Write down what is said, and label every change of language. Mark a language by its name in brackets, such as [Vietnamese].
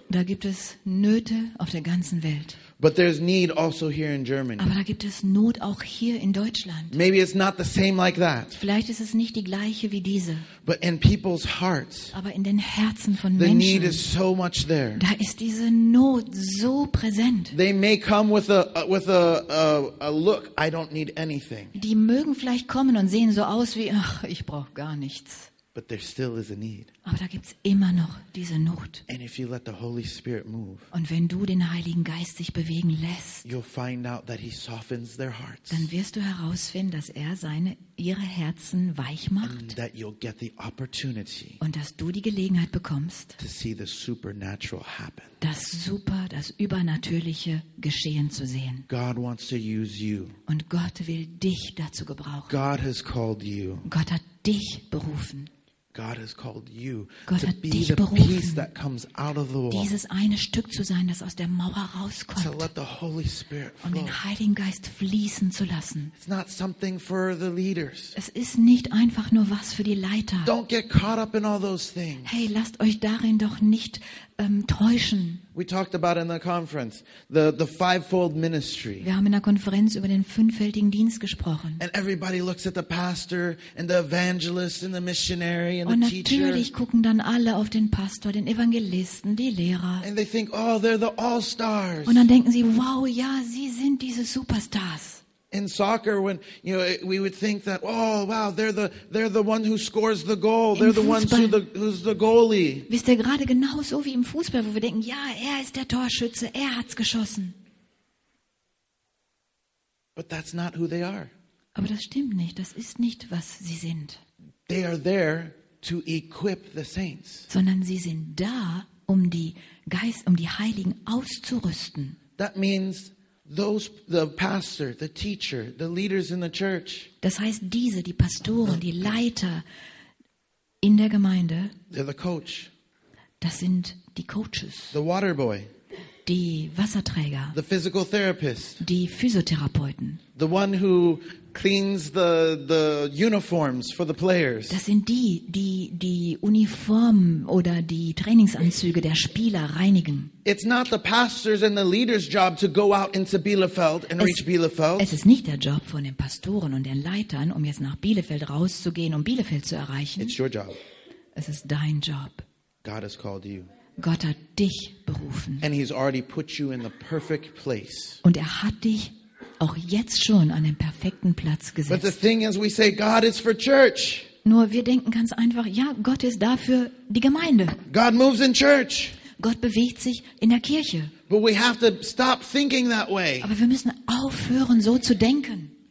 [German] Da gibt es Nöte auf der ganzen Welt. [English] But there's need also here in Germany. [German] Aber da gibt es Not auch hier in Deutschland. [English] Maybe it's not the same like that. [German] Vielleicht ist es nicht die gleiche wie diese. [English] But in people's hearts. [German] Aber in den Herzen von [English] the [German] Menschen. [English] The need is so much there. [German] Da ist diese Not so präsent. [English] They may come with a look. I don't need anything. [German] Die mögen vielleicht kommen und sehen so aus wie ach, ich brauche gar nichts. [English] But there still is a need. [German] Aber da gibt's immer noch diese Not. [English] And if you let the Holy Spirit move, [German] und wenn du den Heiligen Geist sich bewegen lässt, [English] you'll find out that he softens their hearts. [German] Dann wirst du herausfinden, dass er ihre Herzen weich macht. [English] And that you'll get the opportunity, [German] und dass du die Gelegenheit bekommst, [English] to see the supernatural happen. [German] Das Übernatürliche geschehen zu sehen. [English] God wants to use you. [German] Und Gott will dich dazu gebrauchen. [English] God has called you. [German] Gott hat dich berufen. [English] God has called you [German] Gott [English] to [German] hat [English] be [German] dich [English] the [German] berufen, [English] piece that comes out of the wall. [German] Dieses eine Stück zu sein, das aus der Mauer rauskommt. [English] To let the Holy Spirit flow. [German] Und den Heiligen Geist fließen zu lassen. [English] It's not something for the leaders. [German] Es ist nicht einfach nur was für die Leiter. [English] Don't get caught up in all those things. [German] Hey, lasst euch darin doch nicht täuschen. [English] We talked about in the conference the fivefold ministry. [German] Wir haben in der Konferenz über den fünffältigen Dienst gesprochen. [English] And everybody looks at the pastor and the evangelist and the missionary and [German] und [English] the teacher. [German] Und natürlich gucken dann alle auf den Pastor, den Evangelisten, die Lehrer. [English] And they think, oh, they're the all-stars. [German] Und dann denken sie, wow, ja, sie sind diese Superstars. [English] In soccer, when you know, we would think that, oh wow, they're the one who scores the goal. They're the ones who's the goalie. [German] Wisst ihr, gerade genauso wie im Fußball, wo wir denken, ja, er ist der Torschütze, er hat's geschossen. [English] But that's not who they are. [German] Aber das stimmt nicht. Das ist nicht, was sie sind. [English] They are there to equip the saints. [German] Sondern sie sind da, um die Geist, um die Heiligen auszurüsten. [English] That means those the pastor, the teacher, the leaders in the church. [German] Das heißt, diese, die Pastoren, die Leiter in der Gemeinde. [English] They're the coach. [German] Das sind die Coaches. [English] The water boy. [German] Die Wasserträger. [English] The physical therapist. [German] Die Physiotherapeuten. [English] The one who cleans the uniforms for the players. [German] Das sind die, die die Uniformen oder die Trainingsanzüge der Spieler reinigen. [English] It's not the pastors and the leaders' job to go out into Bielefeld and reach Bielefeld. [German] Es ist nicht der Job von den Pastoren und den Leitern, um jetzt nach Bielefeld rauszugehen, um Bielefeld zu erreichen. [English] It's your job. [German] Es ist dein Job. [English] God has called you. [German] Gott hat dich berufen. [English] And he's already put you in the perfect place. [German] Und er hat dich auch jetzt schon an den perfekten Platz gesetzt. [English] But the thing is, we say God is for church. [German] Nur wir denken ganz einfach, ja, Gott ist dafür die Gemeinde. [English] God moves in church. [German] Gott bewegt sich in der Kirche. [English] But we have to stop thinking that way. [German] Aber wir müssen aufhören, so zu denken.